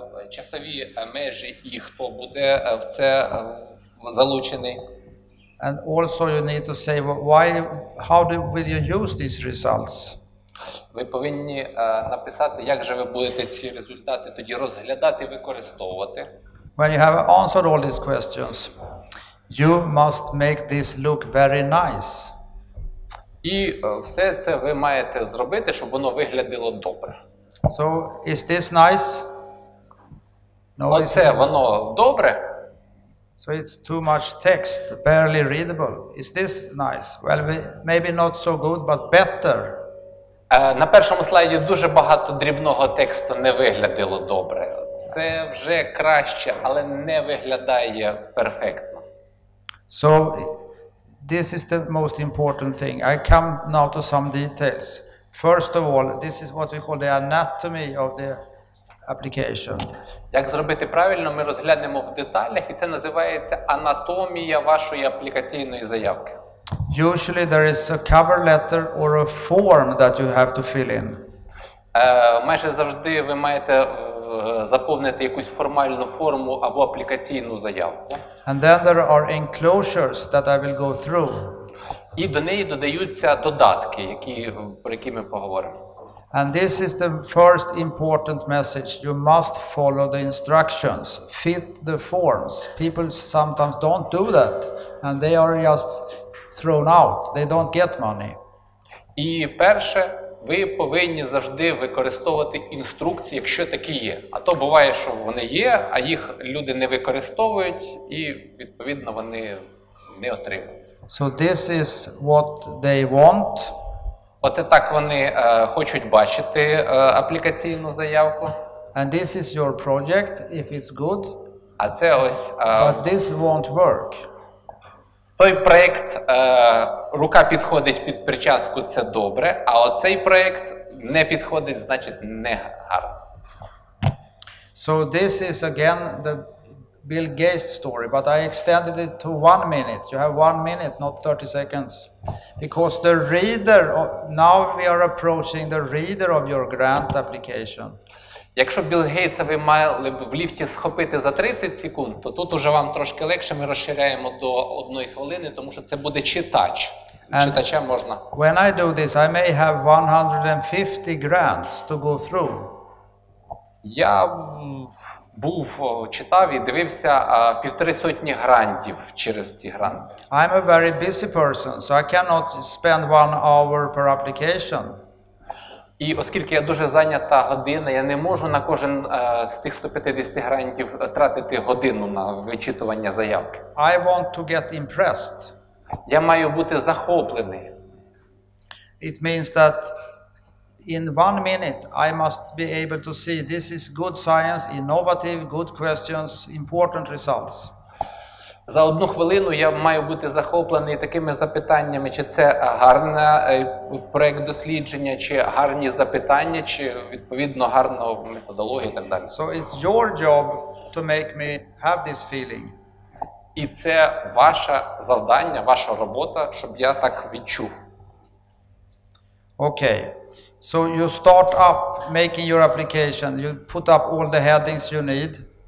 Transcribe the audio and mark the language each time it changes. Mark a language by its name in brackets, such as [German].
[Ukrainian] Часові межі і хто буде в це залучений. [English] And also you need to say how will you use these results. [Ukrainian] Ви повинні написати, як же ви будете ці результати тоді розглядати, використовувати. [English] When you have answered all these questions, you must make this look very nice. [Ukrainian] І все це ви маєте зробити, щоб воно виглядало добре. [English] So, is this nice? [Ukrainian] No, оце воно добре? [English] So, it's too much text, barely readable. Is this nice? Well, maybe not so good, but better. [Ukrainian] На першому слайді дуже багато дрібного тексту не виглядало добре. Це вже краще, але не виглядає перфектно. [English] So, this is the most important thing. I come now to some details. First of all, this is what we call the anatomy of the application. [Ukrainian] Як зробити правильно, ми розглянемо в деталях, і це називається анатомія вашої аплікаційної заявки. [English] Usually there is a cover letter or a form that you have to fill in. [Ukrainian] Майже завжди ви маєте заповнити якусь формальну форму або аплікаційну заявку. [English] And then there are enclosures that I will go through. [Ukrainian] І до неї додаються додатки, про які ми поговоримо. [English] And this is the first important message. You must follow the instructions. Fit the forms. People sometimes don't do that. And they are just thrown out. They don't get money. [Ukrainian] І перше, ви повинні завжди використовувати інструкції, якщо такі є. А то буває, що вони є, а їх люди не використовують, і відповідно вони не отримують. [English] So this is what they want. [Ukrainian] Оце так вони хочуть бачити аплікаційну заявку. [English] And this is your project, if it's good. [Ukrainian] А це ось... [English] But this won't work. [Ukrainian] Той проєкт, рука підходить під перчатку, це добре, а оцей проєкт не підходить, значить не гарно. [English] So this is again the Bill Gates story, but I extended it to 1 minute. You have 1 minute, not 30 seconds. Because the reader, now we are approaching the reader of your grant application. [Ukrainian] Якщо Білл Гейтса ви мали б в ліфті схопити за 30 секунд, то тут уже вам трошки легше, ми розширяємо до 1 хвилини, тому що це буде читач. [English] And [Ukrainian] читача можна. [English] When I do this, I may have 150 grants to go through. [Ukrainian] Я був, читав і дивився 150 грантів через ці гранти. [English] I'm a very busy person, so I cannot spend 1 hour per application. [Ukrainian] І оскільки я дуже зайнята година, я не можу на кожен з тих 150 грантів тратити годину на вичитування заявки. [English] I want to get impressed. [Ukrainian] Я маю бути захоплений. [English] It means that in 1 minute I must be able to see this is good science, innovative, good questions, important results. [Ukrainian] За 1 хвилину я маю бути захоплений такими запитаннями, чи це гарний проєкт дослідження, чи гарні запитання, чи відповідно гарна методологія і так далі. [English] So it's your job to make me have this feeling. [Ukrainian] І це ваше завдання, ваша робота, щоб я так відчув. [English] Okay. So you start up making your application, you put up all the headings you need.